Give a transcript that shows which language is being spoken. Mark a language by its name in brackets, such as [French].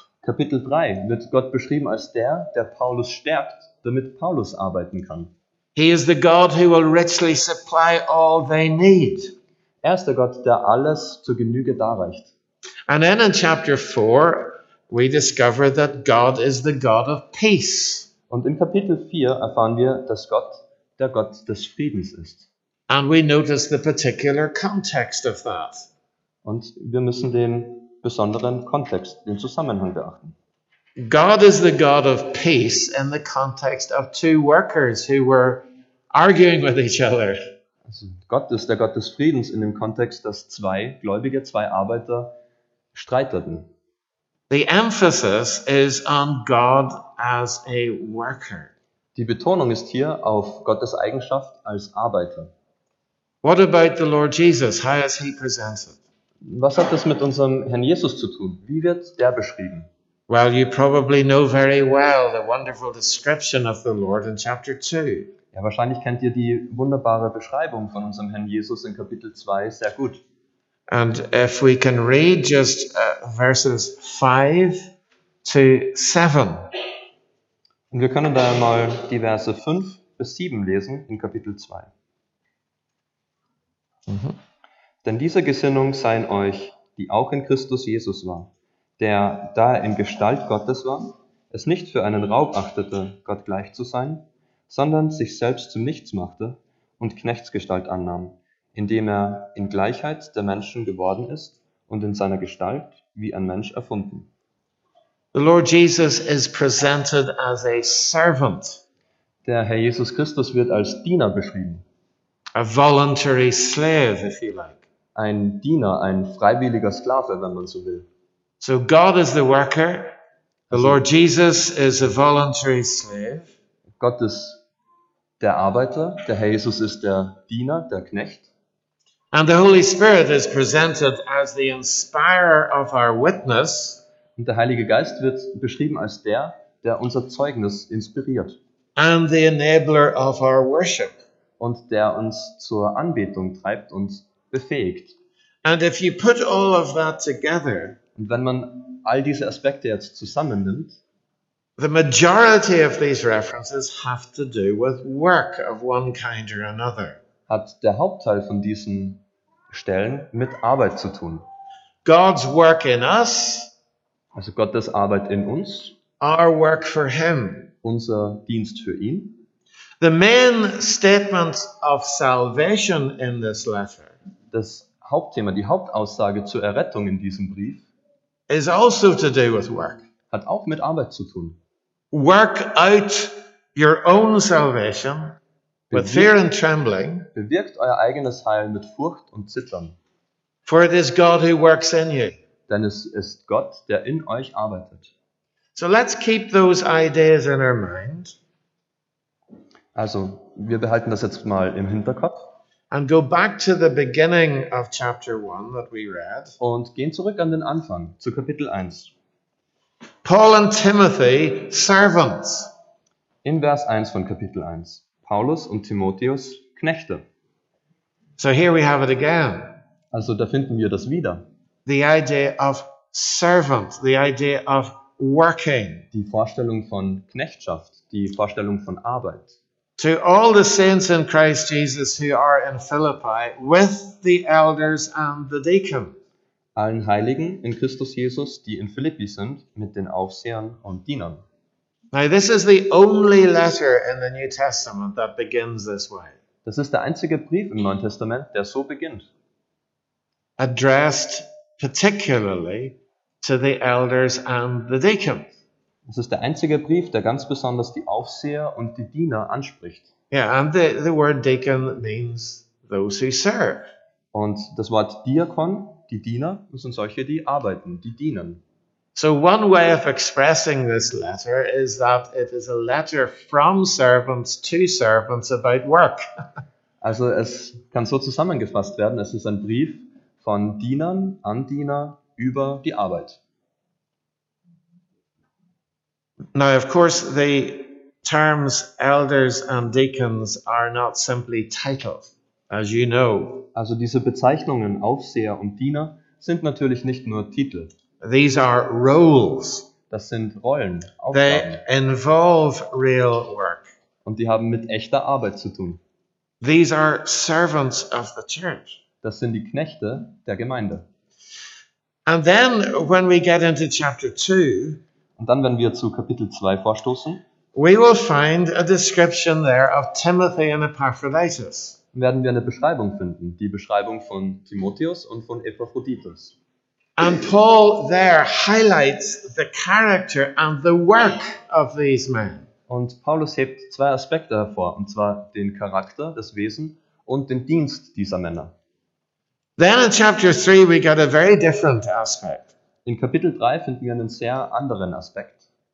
[German] Kapitel 3 wird Gott beschrieben als der, der Paulus stärkt, damit Paulus arbeiten kann. [English] He is the God who will richly supply all they need. [German] Er ist der Gott, der alles zur Genüge darreicht. [English] And then in chapter 4, we discover that God is the God of peace. [German] Und in Kapitel 4 erfahren wir, dass Gott der Gott des Friedens ist. [English] And we notice the particular context of that. [German] Und wir müssen den besonderen Kontext, den Zusammenhang beachten. [English] God is the God of peace in the context of two workers who were arguing with each other. [German] Also Gott ist der Gott des Friedens in dem Kontext, dass zwei Gläubige, zwei Arbeiter streiteten. [English] The emphasis is on God as a worker. [German] Die Betonung ist hier auf Gottes Eigenschaft als Arbeiter. [English] What about the Lord Jesus? How is he presented? [German] Was hat das mit unserem Herrn Jesus zu tun? Wie wird der beschrieben? [English] Well, you probably know very well the wonderful description of the Lord in chapter 2. [German] Ja, wahrscheinlich kennt ihr die wunderbare Beschreibung von unserem Herrn Jesus in Kapitel 2 sehr gut. [English] And if we can read just verses 5 to 7. [German] Und wir können da mal die Verse 5 bis 7 lesen in Kapitel 2. Denn diese Gesinnung sei in euch, die auch in Christus Jesus war, der, da er in Gestalt Gottes war, es nicht für einen Raub achtete, Gott gleich zu sein, sondern sich selbst zum Nichts machte und Knechtsgestalt annahm, indem er in Gleichheit der Menschen geworden ist und in seiner Gestalt wie ein Mensch erfunden. [English] The Lord Jesus is presented as a servant. [German] Der Herr Jesus Christus wird als Diener beschrieben. [English] A voluntary slave, if you like. [German] Ein Diener, ein freiwilliger Sklave, wenn man so will. [English] So God is the worker. The Lord Jesus is a voluntary slave. [German] Gott ist der Arbeiter. Der Herr Jesus ist der Diener, der Knecht. [English] And the Holy Spirit is presented as the inspirer of our witness. [German] Und der Heilige Geist wird beschrieben als der, der unser Zeugnis inspiriert. [English] And the enabler of our worship. [German] Und der uns zur Anbetung treibt und befähigt. [English] And if you put all of that together, [German] und wenn man all diese Aspekte jetzt zusammennimmt, [English] the majority of these references have to do with work of one kind or another. [German] Hat der Hauptteil von diesen Stellen mit Arbeit zu tun. [English] God's work in us, [German] also Gottes Arbeit in uns, [English] our work for him, [German] unser Dienst für ihn. [English] The main statement of salvation in this letter, [German] das Hauptthema, die Hauptaussage zur Errettung in diesem Brief, [English] is also to do with work. [German] Hat auch mit Arbeit zu tun. [English] Work out your own salvation with fear and trembling. [German] Bewirkt euer eigenes Heil mit Furcht und Zittern. [English] For it is God who works in you. [German] Denn es ist Gott, der in euch arbeitet. [English] So let's keep those ideas in our mind. [German] Also, wir behalten das jetzt mal im Hinterkopf. [English] And go back to the beginning of chapter 1 that we read. [German] Und gehen zurück an den Anfang, zu Kapitel 1. [English] Paul and Timothy, servants. [German] In Vers 1 von Kapitel 1. Paulus und Timotheus, Knechte. [English] So here we have it again. [German] Also da finden wir das wieder. [English] The idea of servant, the idea of working. [German] Die Vorstellung von Knechtschaft, die Vorstellung von Arbeit. [English] To all the saints in Christ Jesus who are in Philippi with the elders and the deacon. [German] Allen Heiligen in Christus Jesus, die in Philippi sind, mit den Aufsehern und Dienern. [English] Now this is the only letter in the New Testament that begins this way. [German] Das ist der einzige Brief im Neuen Testament, der so beginnt. [English] Addressed particularly to the elders and the deacon. [German] Es ist der einzige Brief, der ganz besonders die Aufseher und die Diener anspricht. [English] Yeah, and the word deacon means those who serve. [German] Und das Wort Diakon, die Diener, sind solche, die arbeiten, die dienen. [English] So one way of expressing this letter is that it is a letter from servants to servants about work. [German] Also es kann so zusammengefasst werden, es ist ein Brief von Dienern an Diener über die Arbeit. [English] Now, of course, the terms elders and deacons are not simply titles, as you know. [German] Also diese Bezeichnungen Aufseher und Diener sind natürlich nicht nur Titel. [English] These are roles. [German] Das sind Rollen, Aufgaben. [English] They involve real work. [German] Und die haben mit echter Arbeit zu tun. [English] These are servants of the church. [German] Das sind die Knechte der Gemeinde. [English] And then when we get into chapter 2, [German] und dann, wenn wir zu Kapitel 2 vorstoßen, [English] we will find a description there of Timothy and Epaphroditus. [German] Werden wir eine Beschreibung finden, die Beschreibung von Timotheus und von Epaphroditus. [English] And Paul there highlights the character and the work of these men. [German] Und Paulus hebt zwei Aspekte hervor, und zwar den Charakter, das Wesen und den Dienst dieser Männer. [English] Then in chapter 3 we get a very different aspect. [German] In Kapitel 3 finden wir einen sehr anderen Aspekt.